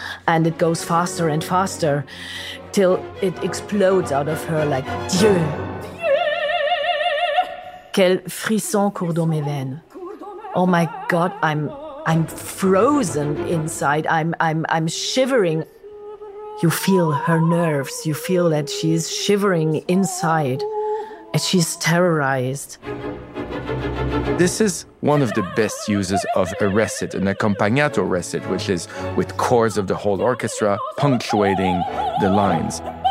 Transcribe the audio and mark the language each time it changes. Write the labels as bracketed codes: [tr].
[en] And it goes faster and faster till it explodes out of her like, [fr] "Dieu! Quel frisson court dans mes veines. [en] Oh my God, I'm frozen inside. I'm shivering." You feel her nerves. You feel that she's shivering inside and she's terrorized. This is one of the best uses of a recit, an accompagnato recit, which is with chords of the whole orchestra punctuating the lines.